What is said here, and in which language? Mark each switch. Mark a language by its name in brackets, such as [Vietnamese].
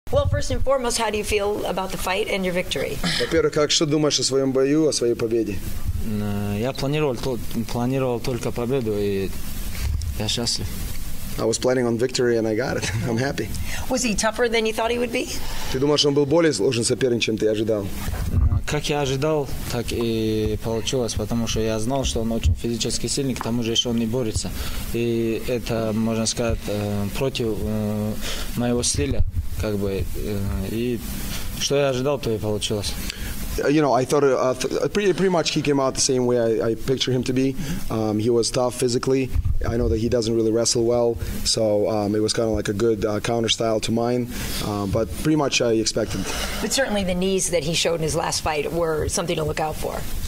[English] first and foremost, how do you feel about the fight and your victory? [Russian] Во-первых, как что думаешь о своем бою, о своей победе? Я планировал только победу, и я счастлив. [English] I was planning on victory and I got it. I'm happy. Was he tougher than you thought he would be? [Russian] Ты думаешь, он был более сложен соперником, чем ты ожидал? Как я ожидал, так и получилось, потому что я знал, что он очень физически сильный, к тому же еще он не борется. И это, можно сказать, против моего стиля, как бы. И что я ожидал, то и получилось. [English] You know, I thought pretty much he came out the same way I picture him to be. He was tough physically. I know that he doesn't really wrestle well, so it was kind of like a good counter style to mine. But pretty much I expected. But certainly the knees that he showed in his last fight were something to look out for.